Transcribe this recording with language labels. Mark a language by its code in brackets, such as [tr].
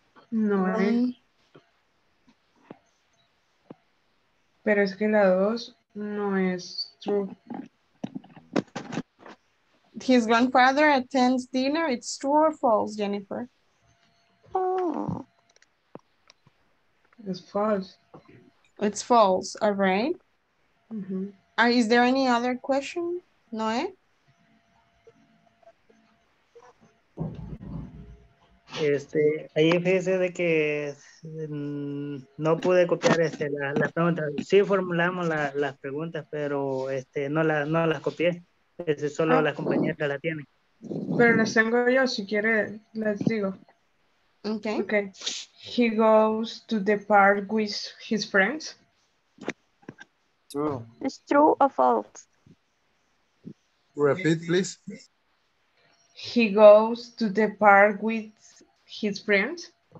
[es] No, pero es que la dos no es true. [en] His grandfather attends dinner, it's true or false, Jennifer? Oh. It's false. It's false, all right. Mm-hmm. Is there any other question, Noe? [es] Ahí fíjese de que no pude copiar las preguntas. Sí formulamos las preguntas, pero no las copié. Solo las compañeras las tienen. Pero las tengo yo, si quiere, les digo. [en] Okay. Okay. He goes to the park with his friends. True. It's true or false? Repeat, please. He goes to the park with his friends.